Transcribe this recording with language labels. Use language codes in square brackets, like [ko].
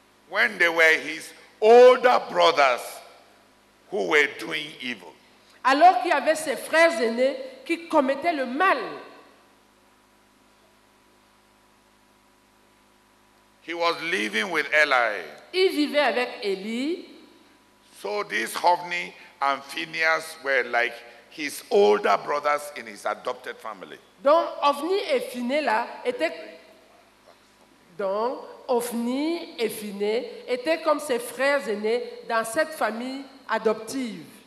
[en] When they were his older brothers who were doing evil. [fr] Alors qu'il y avait ses frères aînés qui commettaient le mal. [en] He was living with Eli. [fr] Il vivait avec Eli. [en] So this Hophni and Phineas were like his older brothers in his adopted family. [fr] Donc Hophni et Phinéas étaient comme ses frères aînés dans cette famille adoptive.